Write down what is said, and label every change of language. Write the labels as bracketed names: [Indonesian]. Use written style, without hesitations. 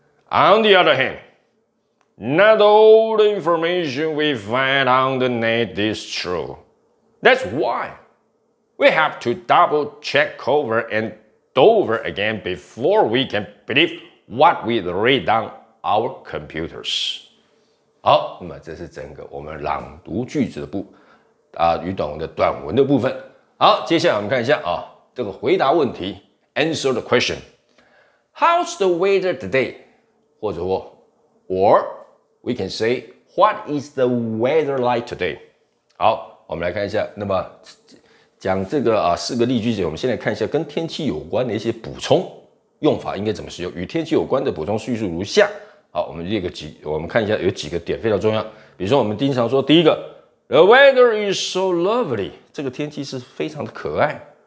[English] On the other hand, not all the information we find on the net is true. That's why. We have to double check over and over again before we can believe what we read on our computers. [Chinese] 好，那么这是整个我们朗读句子的部啊，语懂的短文的部分。好，接下来我们看一下啊，这个回答问题 ， [English] answer the question. How's the weather today? [Chinese] 或者说 [English] ，or we can say, what is the weather like today? [Chinese] 好，我们来看一下，那么。讲这个啊，四个例句子，我们先来看一下跟天气有关的一些补充用法应该怎么使用。与天气有关的补充叙述如下： 好，我们列个几，我们看一下有几个点非常重要。比如说我们经常说第一个 , [English] The weather is so lovely, [Chinese] 这个天气是非常的可爱。